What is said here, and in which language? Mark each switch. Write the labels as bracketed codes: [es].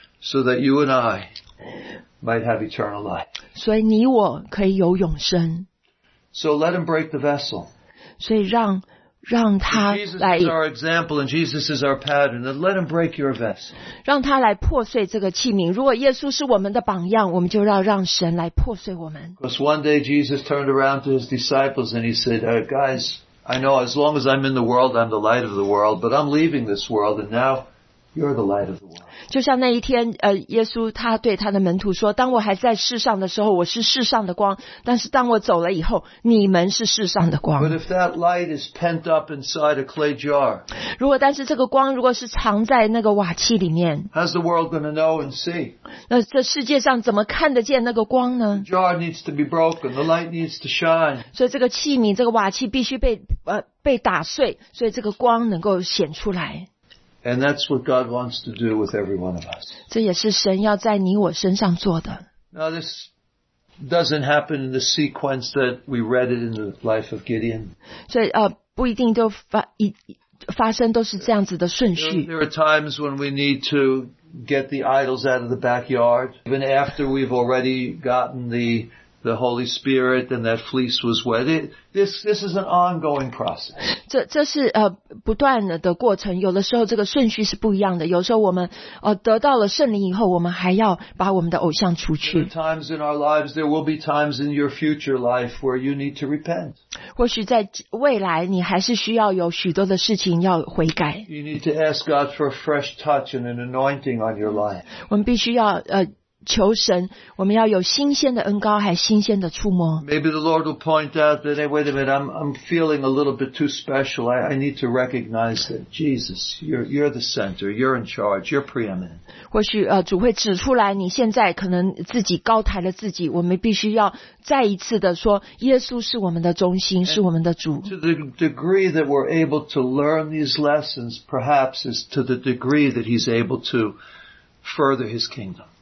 [en] So that you and I might have eternal life. [zh] 所以你我可以有永生。 [en] So let him break the vessel. [zh] 所以让他来。 [en] Jesus is our example and Jesus is our pattern. Then let him break your vessel. [zh] 让他来破碎这个器皿。如果耶稣是我们的榜样，我们就要让神来破碎我们。 [en] Because one day Jesus turned around to his disciples and he said, "Guys, I know as long as I'm in the world, I'm the light of the world. But I'm leaving this world, and now you're the light of the world." [zh] 就像那一天，耶稣他对他的门徒说：“当我还在世上的时候，我是世上的光；但是当我走了以后，你们是世上的光。” [en] But if that light is pent up inside a clay jar, [zh] 如果但是这个光如果是藏在那个瓦器里面 [en] ，How's the world going to know and see? [zh] 那这世界上怎么看得见那个光呢 [en] ？The jar needs to be broken. The light needs to shine. [zh] 所以这个器皿，这个瓦器必须被打碎，所以这个光能够显出来。 [en] And that's what God wants to do with every one of us. [zh] 这也是神要在你我身上做的。 [en] Now this doesn't happen in the sequence that we read it in the life of Gideon. [zh] 所以不一定都发生都是这样子的顺序。 [en] There are times when we need to get the idols out of the backyard, even after we've already gotten the Holy Spirit and that fleece was wet. This is an ongoing process. [zh] 这是不断的过程。有的时候这个顺序是不一样的。有时候我们得到了圣灵以后，我们还要把我们的偶像除去。 [en] Times in our lives, there will be times in your future life where you need to repent. [zh] 或许在未来，你还是需要有许多的事情要悔改。 [en] You need to ask God for a fresh touch and an anointing on your life. [zh] 我们必须要求神，我们要有新鲜的恩膏，还新鲜的触摸。 [en] Maybe the Lord will point out that, "Hey, wait a minute, I'm feeling a little bit too special. I need to recognize that Jesus, you're the center, you're in charge, you're preeminent." [zh] 或许主会指出来，你现在可能自己高抬了自己，我们必须要再一次的说，耶稣是我们的中心，是我们的主。 [en] To the degree that we're able to learn these lessons, perhaps is to the degree that He's able to further His kingdom.